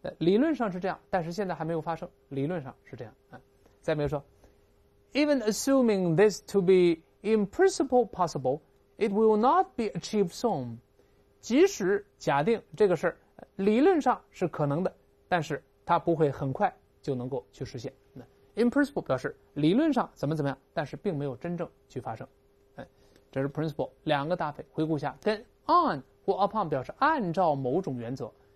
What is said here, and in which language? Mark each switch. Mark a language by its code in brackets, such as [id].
[zh] 理论上是这样，但是现在还没有发生。理论上是这样啊。再比如说。 [en] Even assuming this to be in principle possible, it will not be achieved soon. [zh] 即使假定这个事理论上是可能的，但是它不会很快就能够去实现。 [en] In principle [zh] 表示理论上怎么怎么样，但是并没有真正去发生。这是 principle 两个搭配，回顾一下，跟 on 或 upon 表示按照某种原则。